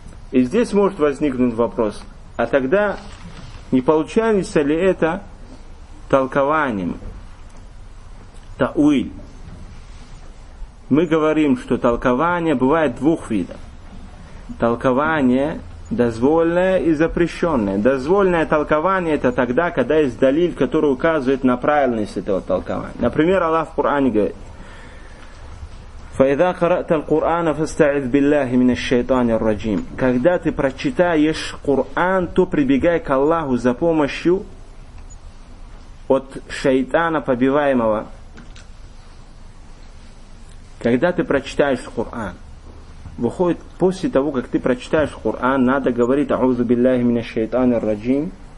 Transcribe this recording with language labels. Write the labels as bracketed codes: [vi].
[ru] И здесь может возникнуть вопрос, а тогда не получается ли это толкованием? Тауиль. Мы говорим, что толкование бывает двух видов. Толкование дозволенное и запрещенное. Дозволенное толкование — это тогда, когда есть далиль, который указывает на правильность этого толкования. Например, Аллах в Коране говорит, [ar] فَإِذَا قَرَأْتَ الْقُرْآنَ فَاسْتَعِذْ بِاللَّهِ مِنَ الشَّيْطَانِ الرَّجِيمِ. [ru] Когда ты прочитаешь Коран, то прибегай к Аллаху за помощью от шайтана побиваемого. Когда ты прочитаешь Коран, выходит, после того, как ты прочитаешь Коран, надо говорить [ar] أَعُوذُ بِاللَّهِ مِنَ الشَّيْطَانِ الرَّجِيمِ.